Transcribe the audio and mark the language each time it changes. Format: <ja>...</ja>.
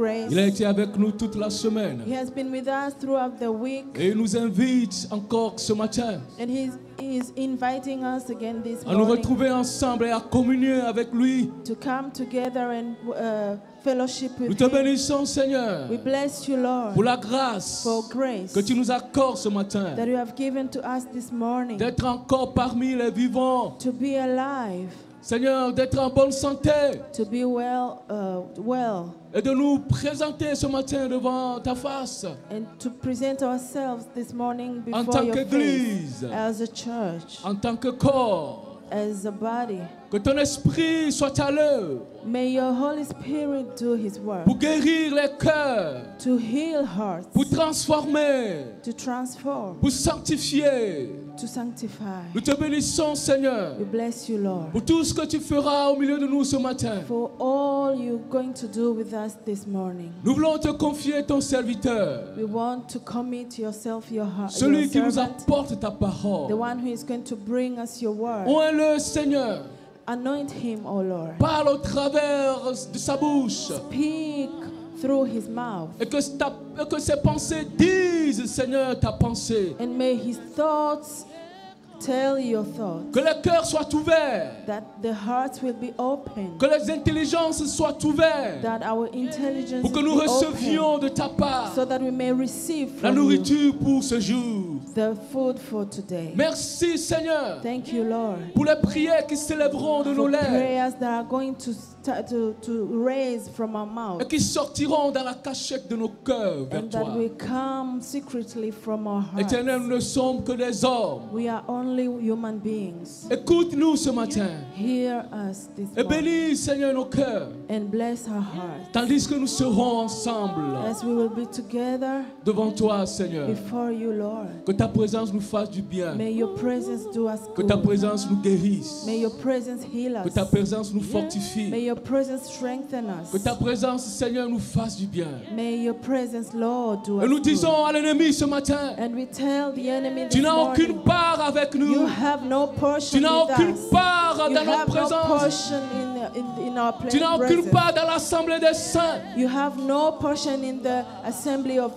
<fr>Il a été avec nous toute la semaine.</fr> <en>He has been with us throughout the week.</en> <fr>Et il nous invite encore ce matin.</fr> <en>And he is inviting us again this morning.</en> <fr>À nous retrouver ensemble et à communier avec lui.</fr> <en>To come together and fellowship with him.</en> <fr>Nous te bénissons, Seigneur.</fr> <en>We bless you, Lord.</en> <fr>Pour la grâce.</fr> <en>For grace.</en> <fr>Que tu nous accordes ce matin.</fr> <en>That you have given to us this morning.</en> <fr>D'être encore parmi les vivants.</fr> <en>To be alive.</en> <fr>Seigneur, d'être en bonne santé.</fr> <en>To be well, well.</en> <fr>Et de nous présenter ce matin devant ta face.</fr> <en>And to present ourselves this morning before your</en> <fr>face. En tant qu'église.</fr> <en>As a church.</en> <fr>En tant que corps.</fr> <en>As a body.</en> <fr>Que ton esprit soit à l'œuvre.</fr> <en>May your Holy Spirit do his work.</en> <fr>Pour guérir les cœurs.</fr> <en>To heal hearts.</en> <fr>Pour transformer.</fr> <en>To transform.</en> <fr>Pour sanctifier.</fr> <en>To sanctify.</en> <fr>Nous te bénissons, Seigneur.</fr> <en>We bless you, Lord.</en> <fr>Pour tout ce que tu feras au milieu de nous ce matin.</fr> <en>For all you're going to do with us this morning.</en> <fr>Nous voulons te confier ton serviteur.</fr> <en>We want to commit yourself, your heart.</en> <fr>Celui</fr> <en>your</en> <fr>qui nous apporte ta parole.</fr> <en>The one who is going to bring us your word.</en> <fr>Oins-le, Seigneur.</fr> <en>Anoint him, O Lord.</en> <fr>Parle au travers de sa bouche.</fr> <en>Speak through his mouth.</en> <fr>Et que ta, et que ses pensées disent, Seigneur, ta pensée.</fr> <en>And may his thoughts tell your thoughts.</en> <fr>Que les cœurs soient ouverts.</fr> <en>That the hearts will be open.</en> <fr>Que les intelligences soient ouvertes.</fr> <en>That our intelligence</en> <fr>pour que nous recevions de ta part.</fr> <en>So that we may receive</en> <fr>la nourriture pour ce jour.</fr> <en>The food for today.</en> <fr>Merci, Seigneur.</fr> <en>Thank you, Lord.</en> <fr>Pour les prières qui s'élèveront de nos lèvres.</fr> <en>Prayers that are going to to raise from our mouth.</en> <fr>Et qui sortiront dans la cachette de nos cœurs vers</fr> <en>and</en> <fr>toi.</fr> <en>And that we come secretly from our hearts.</en> <fr>Éternel, nous ne sommes que des hommes.</fr> <en>We are only human beings.</en> <fr>Écoute-nous ce matin.</fr> <en>Hear us this morning.</en> <fr>Et bénis, Seigneur, nos cœurs.</fr> <en>And bless our hearts.</en> <fr>Tandis que nous serons ensemble.</fr> <en>As we will be together.</en> <fr>Devant toi, Seigneur.</fr> <en>Before you, Lord.</en> <fr>Que ta présence nous fasse du bien.</fr> <en>May your presence do us good.</en> <fr>Que ta présence nous guérisse.</fr> <en>May your presence heal us.</en> <fr>Que ta présence nous fortifie.</fr> <en>May your presence strengthen us.</en> <fr>Que ta présence, Seigneur, nous fasse du bien.</fr> <en>May your presence, Lord, do us good.</en> <fr>Et nous disons à l'ennemi ce matin.</fr> <en>And we tell the enemy this</en> <fr>morning. Tu n'as aucune part avec nous.</fr> <en>You have no portion with us.</en> <fr>Tu n'as aucune part dans notre présence.</fr> <en>You have no portion in our presence.</en> <fr>Tu n'as aucune part dans l'assemblée des saints.</fr> <en>You have no portion in the assembly of the</en>